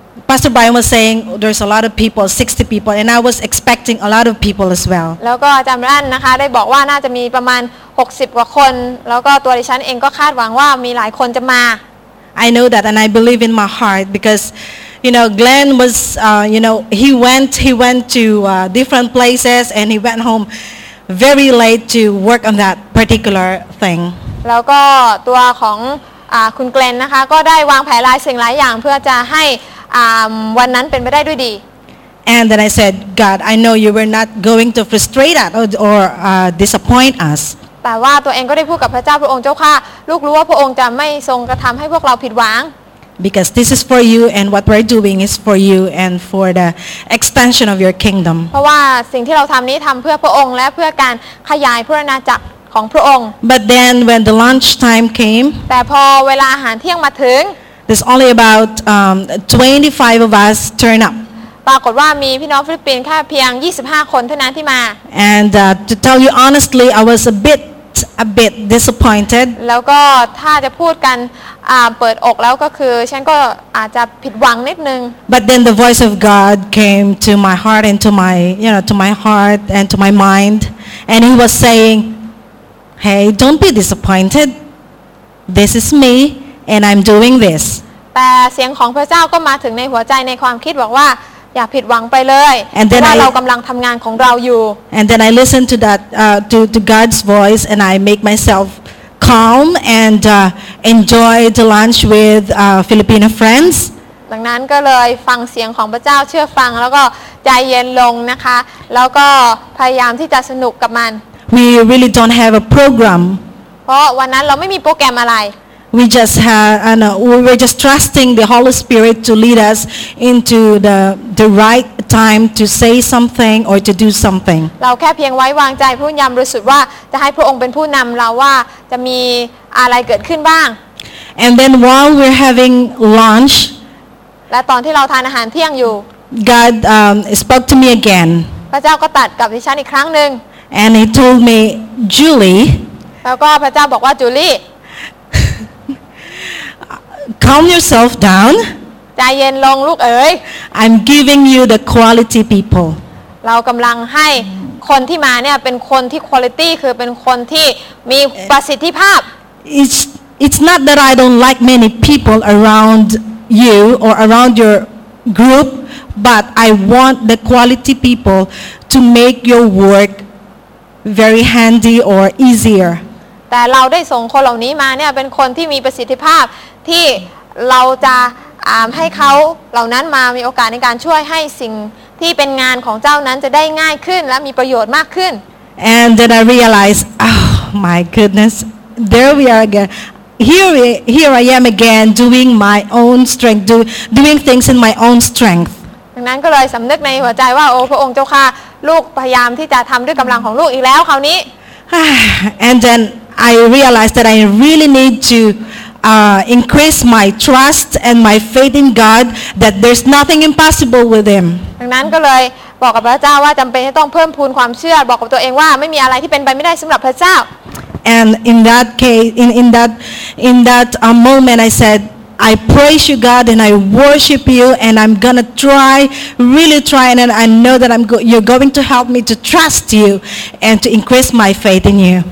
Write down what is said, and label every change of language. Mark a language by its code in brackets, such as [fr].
[en] AndPastor Brian was saying there's a lot of people, 60 people, and I was expecting a lot of people as well. [th] แล้วก็อาจารย์รันนะคะได้บอกว่าน่าจะมีประมาณ60กว่าคนแล้วก็ตัวดิฉันเองก็คาดหวังว่ามีหลายคนจะมา [en] I know that and I believe in my heart because Glenn was he went to different places and he went home very late to work on that particular thing. [th] แล้วก็ตัวของคุณเกลนนะคะก็ได้วางแผนหลายสิ่งหลายอย่างเพื่อจะให้วันนั้นเป็นไปได้ด้วยดี [en] And then I said, God, I know you were not going to frustrate us or disappoint us. [th] แต่ว่าตัวเองก็ได้พูดกับพระเจ้าพระองค์เจ้าค่ะลูกรู้ว่าพระองค์จะไม่ทรงกระทำให้พวกเราผิดหวัง [en] Because this is for you and what we're doing is for you and for the extension of your kingdom. [th] เพราะว่าสิ่งที่เราทำนี้ทำเพื่อพระองค์และเพื่อการขยายพระอาณาจักรของพระองค์ [en] But then when the lunch time came, [th] แต่พอเวลาอาหารเที่ยงมาถึง [en] There's only about 25 of us turn up. [th] ปรากฏว่ามีพี่น้องฟิลิปปินส์แค่เพียง25คนเท่านั้นที่มา [en] And to tell you honestly, I was a bit disappointed. [th] แล้วก็ถ้าจะพูดกันเปิดอกแล้วก็คือฉันก็อาจจะผิดหวังนิดนึง [en] But then the voice of God came to my heart and to my heart and to my mind, and He was saying, "Hey, don't be disappointed. This is me." And I'm doing this. [th] แต่เสียงของพระเจ้าก็มาถึงในหัวใจในความคิดบอกว่าอย่าผิดหวังไปเลยเพราะว่าเรากำลังทำงานของเราอยู่ [en] And then I listened to that to God's voice and I make myself calm and enjoy the lunch with Filipino friends. [th] ดังนั้นก็เลยฟังเสียงของพระเจ้าเชื่อฟังแล้วก็ใจเย็นลงนะคะแล้วก็พยายามที่จะสนุกกับมัน [en] We really don't have a program. [th] เพราะวันนั้นเราไม่มีโปรแกรมอะไร [en] We just had, we were just trusting the Holy Spirit to lead us into the right time to say something or to do something. [th] เราแค่เพียงไว้วางใจผู้นำรู้สึกว่าจะให้พระองค์เป็นผู้นำเราว่าจะมีอะไรเกิดขึ้นบ้าง [en] And then while we're having lunch, [th] และตอนที่เราทานอาหารเที่ยงอยู่ [en] God spoke to me again. [th] พระเจ้าก็ตัดกับดิฉันอีกครั้งนึง [en] And He told me, Julie. [th] แล้วก็พระเจ้าบอกว่าจูลี่ [en] Calm yourself down. [th] ใจเย็นลงลูกเอ๋ย [en] I'm giving you the quality people. [th] เรากำลังให้คนที่มาเนี่ยเป็นคนที่ quality คือเป็นคนที่มีประสิทธิภาพ [en] It's not that I don't like many people around you or around your group, but I want the quality people to make your work very handy or easier. [th] แต่เราได้ส่งคนเหล่านี้มาเนี่ยเป็นคนที่มีประสิทธิภาพที่เราจะให้เขาเหล่านั้นมามีโอกาสในการช่วยให้สิ่งที่เป็นงานของเจ้านั้นจะได้ง่ายขึ้นและมีประโยชน์มากขึ้น [en] And then I realized, oh my goodness, there we are again. Here I am again doing my own strength, doing things in my own strength. [th] ดังนั้นก็เลยสำนึกในหัวใจว่าโอ้พระองค์เจ้าค่ะลูกพยายามที่จะทำด้วยกำลังของลูกอีกแล้วคราวนี้ [en] And then I realized that I really need toincrease my trust and my faith in God that there's nothing impossible with Him. [th] ดังนั้นก็เลยบอกกับพระเจ้าว่าจำเป็นที่ต้องเพิ่มพูนความเชื่อบอกกับตัวเองว่าไม่มีอะไรที่เป็นไปไม่ได้สำหรับพระเจ้า [en] And in that case, in that moment, I said, I praise you, God, and I worship you, and I'm going to try, really try, and I know that you're going to help me to trust you and to increase my faith in you.